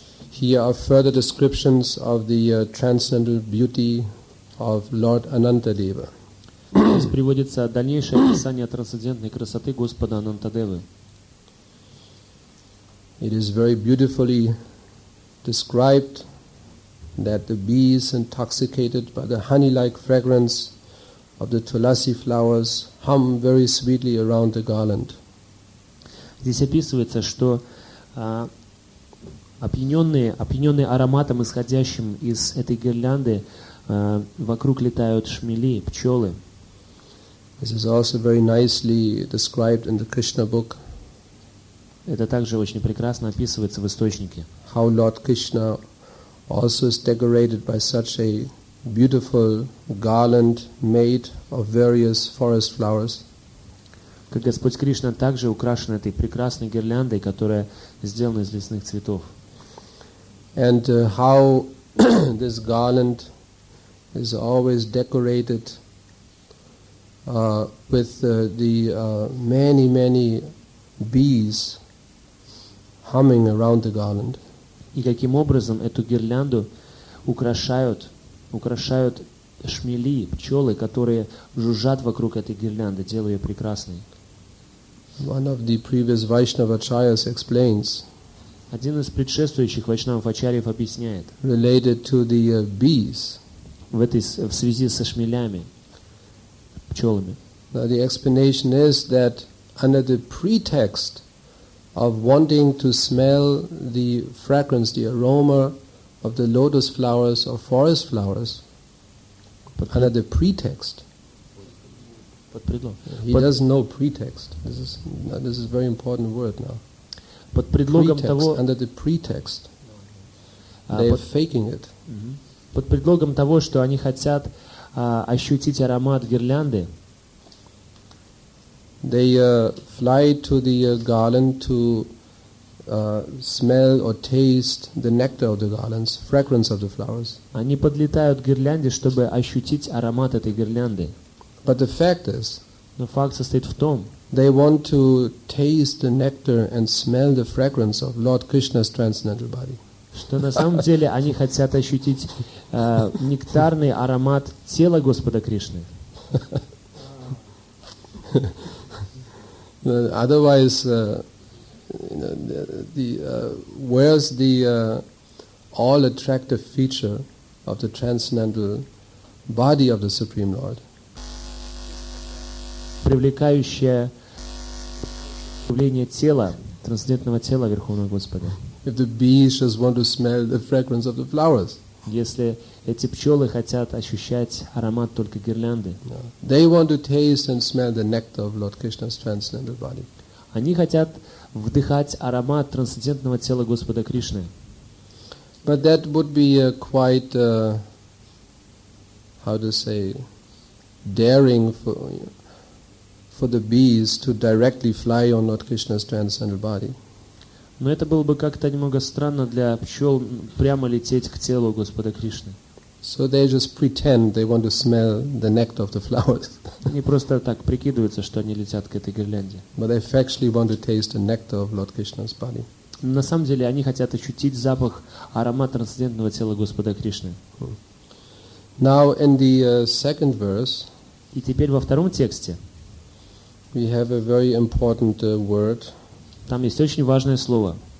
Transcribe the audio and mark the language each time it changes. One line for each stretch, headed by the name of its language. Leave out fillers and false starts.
English: Here are further descriptions of the transcendental beauty of Lord Anantadeva.
Russian: Здесь приводится дальнейшее описание трансцендентной красоты Господа Анантадевы.
English: It is very beautifully described that the bees intoxicated by the honey-like fragrance of the tulasi flowers hum very sweetly around the garland.
Russian: Здесь описывается, что опьяненные ароматом, исходящим из этой гирлянды, вокруг летают шмели, пчелы.
English: This is also very nicely described in the Krishna book.
Russian: Это также очень прекрасно описывается в источнике.
English: How Lord Krishna also is decorated by such a beautiful garland made of various forest flowers.
Russian: Как Господь Кришна также украшен этой прекрасной гирляндой, которая сделана из лесных цветов.
English: And how this garland is always decorated with many bees humming around the garland.
Russian: И каким образом эту гирлянду украшают шмели, пчелы, которые жужжат вокруг этой гирлянды, делая ее прекрасной.
English: One of the previous Vaishnava acharyas explains.
Russian: Один из предшествующих Вайшнавов ачарьев объясняет.
English: Related to the bees.
Russian: В связи со шмелями, пчелами.
English: Now the explanation is that under the pretext of wanting to smell the fragrance, the aroma of the lotus flowers or forest flowers under the pretext.
Russian: Под предлог.
English: He does no pretext. This is very important word now.
Russian: Под предлогом
English: pretext,
Russian: того,
English: under the pretext. They are faking it.
Russian: Под предлогом того, что они хотят ощутить аромат гирлянды.
English: They fly to the garland to smell or taste the nectar of the garlands, fragrance of the flowers.
Russian: Они подлетают к гирлянде, чтобы ощутить аромат этой гирлянды.
English: But the fact is,
Russian: но факт состоит в том,
English: they want to taste the nectar and smell the fragrance of Lord Krishna's transcendental body.
Russian: Что на самом деле они хотят ощутить нектарный аромат тела Господа Кришны.
English: Otherwise, where's the all attractive feature of the transcendental body of the Supreme Lord?
Russian: Привлекающее явление тела, трансцендентного тела Верховного Господа.
English: If the bees just want to smell the fragrance of the flowers.
Russian: Если эти пчелы хотят ощущать аромат только гирлянды.
English: They want to taste and smell the nectar of Lord Krishna's transcendental body.
Russian: Они хотят вдыхать аромат трансцендентного тела Господа Кришны.
English: But that would be a quite, how to say, daring for the bees to directly fly on Lord Krishna's transcendental body.
Russian: Но это было бы как-то немного странно для пчел прямо лететь к телу Господа Кришны.
English: So they just pretend they want to smell the nectar of the flowers.
Russian: Они просто так прикидываются, что они летят к этой гирлянде.
English: But they actually want to taste the nectar of Lord Krishna's body.
Russian: На самом деле они хотят ощутить запах, аромат трансцендентного тела Господа Кришны.
English: Now in the second verse.
Russian: И теперь во втором тексте.
English: We have a very important word.
Russian: Там есть очень важное слово.